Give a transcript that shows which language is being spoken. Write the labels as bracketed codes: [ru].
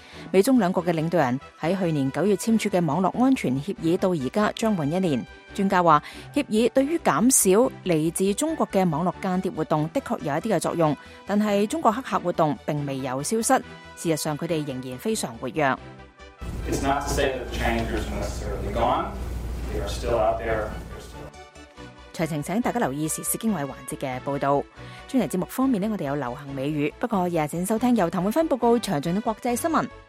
[zh] 美中两国的领导人在去年9月签署的网络安全协议到现在将近一年，专家说协议对于减少来自中国的网络间谍活动的确有一些作用，但是中国黑客活动并未有消失，事实上他们仍然非常活跃。 [en] It's not to say that the changers are necessarily gone. They are still out there. Still... [zh] 詳情大家留意時事經緯環節的報導。專題節目方面，我們有流行美語，不過日日請收聽由譚永芬報告詳盡的國際新聞。